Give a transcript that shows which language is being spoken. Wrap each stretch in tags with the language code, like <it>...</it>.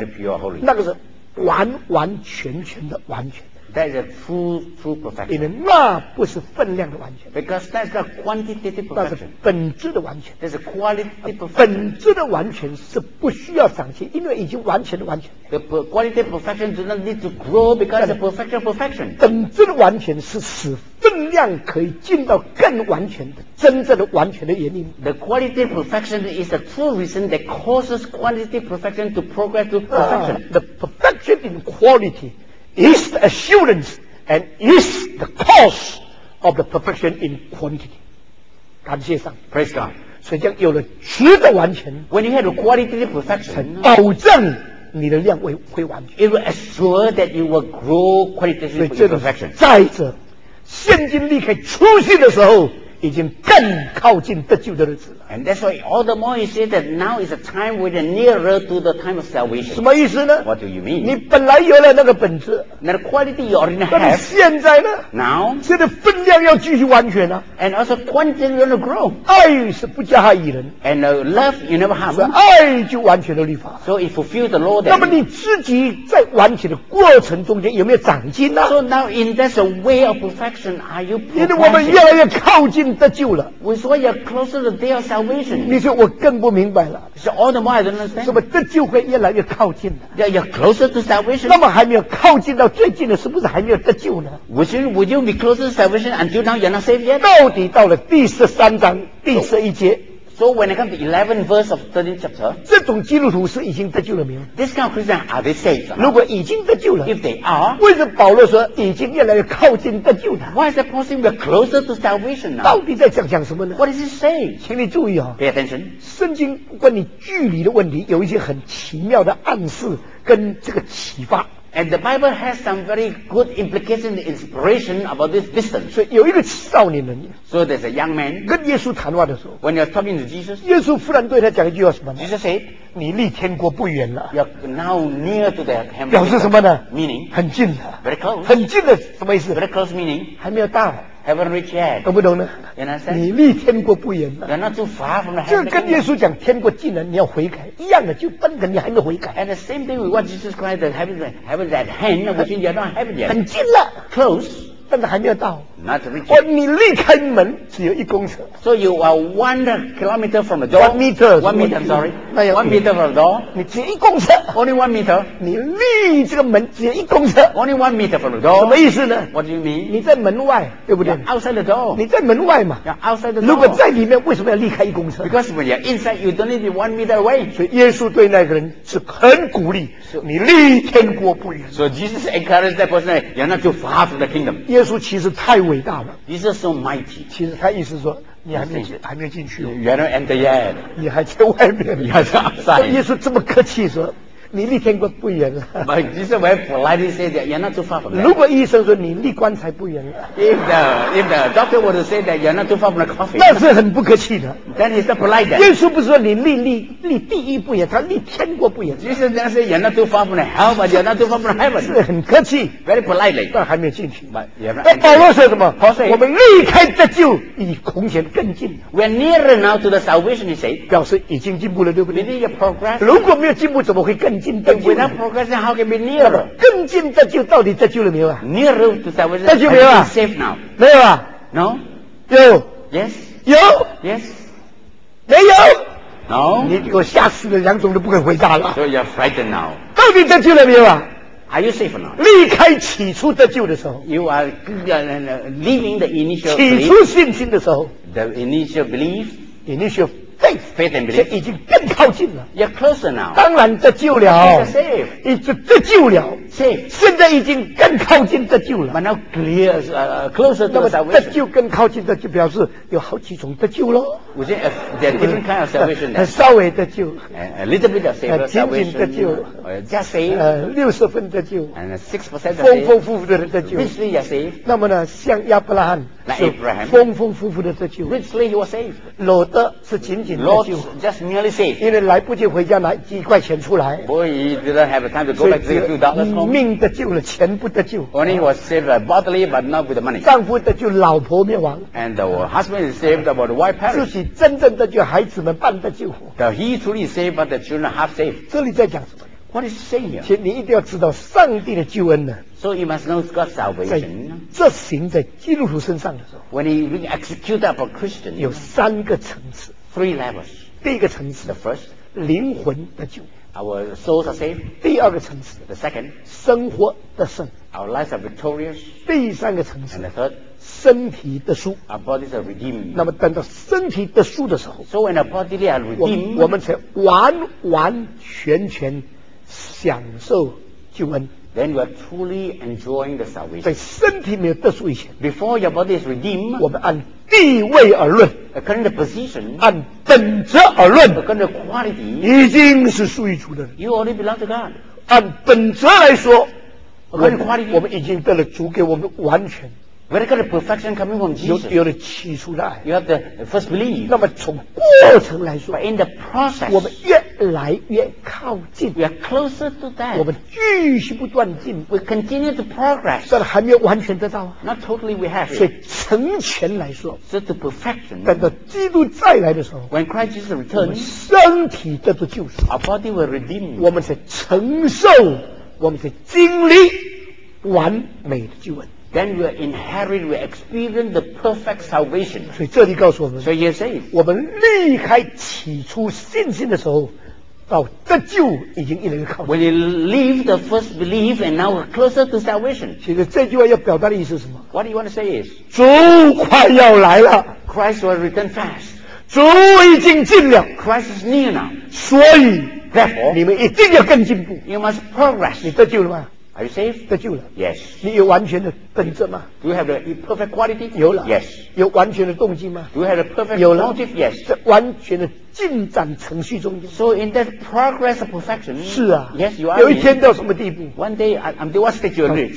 <en>，Very pure holy。</en> <zh>那个是完完全全的完全的。</zh> <en>That is a true perfection。</en> <zh>因为那不是分量的完全。</zh> <en>Because that's not quantitative perfection。</en> <zh>那是本质的完全。</zh> <en>That's a quality perfection。</en> <zh>本质的完全是不需要长进，因为已经完全的完全。</zh> <en>The quality perfection does not need to grow because it's perfection of perfection。</en> <zh>本质的完全是使分量可以进到更完全的、真正的完全的原因。</zh> <en>The quality perfection is the true reason that causes quantity perfection to progress to perfection。 The perfection in quality。 Is the assurance and is the cause of the perfection in quantity.</en> <zh>感谢上帝</zh> <en>Praise God.</en> <zh>所以将有了质的完全</zh> <en>When you have a quality of perfection,</en> <zh>保证你的量会完全</zh> <en>It will assure that you will grow qualitatively in perfection.</en> <zh>再者现今离开出现的时候已经更靠近得救的日子了</zh> <en>And that's why all the more you say that now is a time we're nearer to the time of salvation</en> <zh>什么意思呢</zh> <en>What do you mean?</en> <zh>你本来有了那个本质</zh> <en>That quality you already have</en> <zh>但现在呢</zh> <en>Now</en> <zh>现在分量要继续完全啊</zh> <en>And also quantity you're going to grow</en> <zh>爱是不加害于人</zh> <en>And love you never harm</en> <zh>爱就完全的律法</zh> <en>So it fulfills the law</en> <zh>那么你自己在完全的过程中间有没有长进呢</zh> <en>So now in this way of perfection are you progressing?</en> <zh>因为我们越来越靠近得救了</zh> <en>We're so you're closer to the day of salvation</en> <zh>你说我更不明白了</zh> <en>So all the more I don't understand</en> <zh>是不是得救会越来越靠近了</zh> <en>Yeah, you're closer to salvation</en> <zh>那么还没有靠近到最近的是不是还没有得救呢</zh> <en>Would you be closer to salvation until now you're not saved yet</en> <zh>到底到了第十三章第十一节</zh> <en>So when it comes to 11 verse of 13 chapter</en> <zh>这种基督徒是已经得救了没有</zh> <en>This kind of Christian are they saved</en> <zh>如果已经得救了</zh> <en>If they are</en> <zh>为什么保罗说已经越来越靠近得救了</zh> <en>Why is it possible we're closer to salvation now</en> <zh>到底在讲什么呢</zh> <en>What is he saying</en> <zh>请你注意哦</zh> <en>Pay attention</en> <zh>圣经关于距离的问题有一些很奇妙的暗示跟这个启发</zh> <en>And the Bible has some very good implication and inspiration about this distance</en> <zh>所以有一个少年人</zh> <en>So there's a young man</en> <zh>跟耶稣谈话的时候</zh> <en>When you're talking to Jesus</en> <zh>耶稣忽然对他讲一句话什么</zh> <en>Jesus said</en> <zh>你离天国不远了</zh> <en>You're now near to the heaven</en> <zh>表示什么呢</zh> <en>Meaning</en> <zh>很近的</zh> <en>Very close</en> <zh>很近的什么意思</zh> <en>Very close meaning</en> <zh>还没有到</zh> <en>Haven't reached yet</en> <zh>懂不懂呢</zh> <en>You understand</en> <zh>你离天国不远了</zh> <en>You're not too far from the heaven</en> <zh>就跟耶稣讲天国近了你要悔改一样的就笨的你还没悔改</zh> <en>And the same thing with what Jesus Christ the heaven's at hand which means you're not heaven yet</en> <zh>很近了</zh> <en>Close</en> <zh>但是还没有到</zh> <en>Not reached</en> <zh>你离开门只有一公尺</zh> <en>So you are 1 kilometer from the door 1 meter sorry 1 meter from the door</en> <zh>你只有一公尺</zh> <en>Only 1 meter</en> <zh>你离这个门只有一公尺</zh> <en>Only 1 meter from the door</en> <zh>什么意思呢</zh> <en>What do you mean</en> <zh>你在门外对不对</zh> <en>You're outside the door</en> <zh>你在门外嘛</zh> <en>You're outside the door</en> <zh>如果在里面为什么要离开一公尺</zh> <en>Because when you're inside you don't need 1 meter away</en> <zh>所以耶稣对那个人是很鼓励你离天国不远</zh> <en>So Jesus encouraged that person You're not too far from the kingdom</en> <zh>耶稣其实太伟大了</zh> <en>This is so mighty</en> <zh>其实他意思说你还没进去</zh> <en>You haven't entered yet</en> <zh>你还在外面</zh> <en>You are outside</en> <zh>耶稣这么客气说你离天国不远了</zh> <en>But Jesus very politely said that You're not too far from that</en> <zh>如果医生说你离棺材不远了</zh> <en>If the doctor were to say that You're not too far from the coffin</en> <zh>那是很不客气的</zh> <en>Then he's not polite then</en> <zh>耶稣不是说你离地狱不远他离天国不远</zh> <en>Jesus then said You're not too far from the hell But you're not too far from the heaven</en> <zh>是很客气</zh> <en>Very politely</en> <zh>但还没进去</zh> <en>But you haven't</en> <zh>那保罗说什么</zh> <en>Paul said</en> <zh>我们离开得救离空前更近</zh> <en>We're nearer now to the salvation He said</en> <zh>表示已经进步了对不对</zh> <en>Meaning you're progress</en> <zh>如果没有进步怎么会更近</zh> <en>If we're not progressing, how can we be nearer?</en> <zh>更近得救到底得救了没有啊</zh> <en>Nearer to salvation.</en> <zh>得救没有啊</zh> <en>Safe now.</en> <zh>没有啊</zh> <en>No.</en> <zh>有</zh> <en>Yes.</en> <zh>有</zh> <en>Yes.</en> <zh>没有</zh> <en>No.</en> <zh>你给我吓死了，两种都不肯回答了。</zh> <en>So you're frightened now.</en> <zh>到底得救了没有啊</zh> <en>Are you safe now?</en> <zh>离开起初得救的时候</zh> <en>You are leaving the initial</en> <zh>起初信心的时候</zh> <en>The initial belief. Initial. Faith and belief</en> <zh>已经更靠近了</zh> <en>You're closer now</en> <zh>当然得救了</zh> <en>You're safe</en> <zh>已经得救了</zh> <en>saved.</en> <zh>现在已经更靠近得救了。</zh> <en>But now clear, closer to salvation.</en> <zh>得救更靠近得救，表示有好几种得救咯。</zh> <en>There are different kind of salvation.</en> <zh>稍微得救。</zh> <en>A little bit of saved salvation.</en> <zh>仅仅得救。</zh> <en>Just saved.</en> <zh>六十分得救。</zh> <en>And 6%</en> <zh>丰丰富富的得救。</zh> <en>Richly you're saved.</en> <zh>那么呢，像亚伯拉罕。</zh> <en>Like Abraham.</en> <zh>丰丰富富的得救。</zh> <en>Richly he was saved.</en> <zh>罗德是仅仅得救。</zh> <en>Lord just merely saved.</en> <zh>因为来不及回家拿几块钱出来。</zh> <en>Boy, he didn't have time to go back to the field.</en> <zh>命得救了，钱不得救。</zh> <en>Only he was saved bodily, but not with the money.</en> <zh>丈夫得救，老婆灭亡。</zh> <en>And the husband is saved, but the wife perished.</en> <zh>自己真正得救，孩子们半得救。</zh> <en>The he truly saved, but the children half saved.</en> <zh>这里在讲什么？</zh> <en>What is he saying here?</en> <zh>请你一定要知道上帝的救恩呢。</zh> <en>So you must know God's salvation.</en> <zh>这行在基督徒身上的时候</zh> <en>，When he being executed for Christian,</en> <zh>有三个层次</zh> <en>，three levels.</en> <zh>第一个层次</zh> <en>，the first,</en> <zh>灵魂得救。</zh> <en>Our souls are saved.</en> <zh>第二个层次</zh> <en>The second.</en> <zh>生活的胜</zh> <en>Our lives are victorious.</en> <zh>第三个层次</zh> <en>And the third.</en> <zh>身体的输</zh> <en>Our bodies are redeemed.</en> <zh>那么等到身体的输的时候</zh> <en>So when our bodies are redeemed.</en> <zh>我们才完完全全享受救恩</zh> <en>Then you are truly enjoying the salvation.</en> <zh>在身体没有得输以前</zh> <en>Before your body is redeemed.</en> <zh>我们按地位而论</zh> <en>According to position.</en> <zh>按本质而论</zh> <en>According to quality,</en> <zh>已经是属于主的</zh> <en>You already belong to God.</en> <zh>按本质来说</zh> <en>According to quality,</en> <zh>我们已经得了主给我们完全</zh> <en>When you got the perfection coming from Jesus,</en> <zh>有了起初的爱</zh> <en>You have the first belief.</en> <zh>那么从过程来说</zh> <en>But in the process,</en> <zh>我们越来越靠近</zh> <en>We are closer to that.</en> <zh>我们继续不断进</zh> <en>We continue to progress.</en> <zh>但还没有完全得到</zh> <en>Not totally we have it.</en> <zh>所以成全来说</zh> <en>So to perfection,</en> <zh>等到基督再来的时候</zh> <en>When Christ Jesus returns,</en> <zh>身体得到救赎</zh> <en>Our body will redeem.</en> <zh>我们是承受我们是经历完美的救恩</zh> <en>Then we inherit, we experience the perfect salvation.</en> <zh>所以这里告诉我们</zh> <en>So you're saved.</en> <zh>我们离开起初信心的时候到得救已经越来越靠近</zh> <en>When you leave the first belief and now we're closer to salvation.</en> <zh>其实这句话要表达的意思是什么</zh> <en>What do you want to say is?</en> <zh>主快要来了</zh> <en>Christ will return fast.</en> <zh>主已经近了</zh> <en>Christ is near now.</en> <zh>所以</zh> <en>Therefore,</en> <zh>你们一定要更进步</zh> <en>You must progress.</en> <zh>你得救了吗</zh> <en>Are you saved?</en> <zh>得救了。</zh> <en>Yes.</en> <zh>你有完全的本质吗</zh> <en>？Do you have the perfect quality?</en> <zh>有了。</zh> <en>Yes.</en> <zh>有完全的动机吗</zh> <en>？Do you have the perfect motive? Yes.</en> <zh>在完全的进展程序中间。</zh> <en>So in that progress of perfection.</en> <zh>是啊。</zh> <en>Yes, you are.</en> <zh>有一天到什么地步</zh> <en>？One day, I'm the one stage you reach.</en>